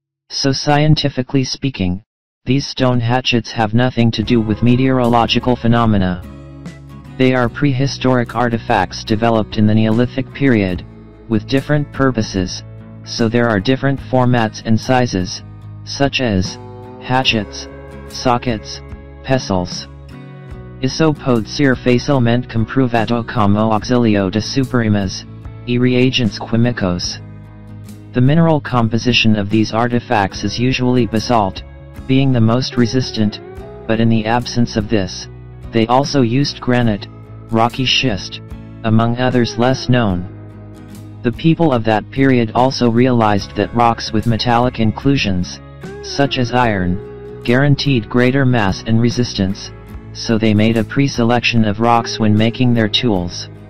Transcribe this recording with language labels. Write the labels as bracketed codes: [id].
[en] So scientifically speaking, these stone hatchets have nothing to do with meteorological phenomena. They are prehistoric artifacts developed in the Neolithic period, with different purposes, so there are different formats and sizes, such as hatchets, sockets, pestles. [pt] Isso pode ser facilmente comprovado como auxilio de suprimas, e reagentes químicos. [en] The mineral composition of these artifacts is usually basalt, being the most resistant, but in the absence of this, they also used granite, rocky schist, among others less known. The people of that period also realized that rocks with metallic inclusions, such as iron, guaranteed greater mass and resistance, so they made a pre-selection of rocks when making their tools.